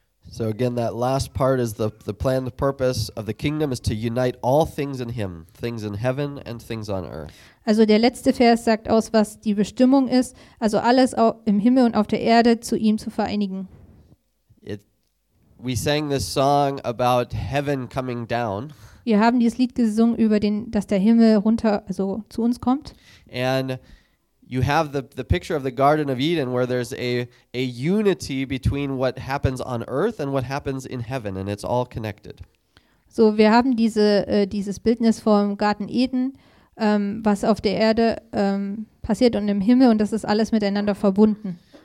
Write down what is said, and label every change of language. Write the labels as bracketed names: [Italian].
[English] So again, that last part is the plan, the purpose of the kingdom is to unite all things in him, things in heaven and things on earth. [German] Also der letzte Vers sagt aus, was die Bestimmung ist, also alles im Himmel und auf der Erde zu ihm zu vereinigen. [English] We sang this song about heaven coming down. [German] Wir haben dieses Lied gesungen über den, dass der Himmel runter, also zu uns kommt. [English] And you have the picture of the Garden of Eden, where there's a unity between what happens on earth and what happens in heaven, and it's all connected. [German] So, wir haben diese dieses Bildnis vom Garten Eden, was auf der Erde passiert und im Himmel, und das ist alles miteinander verbunden.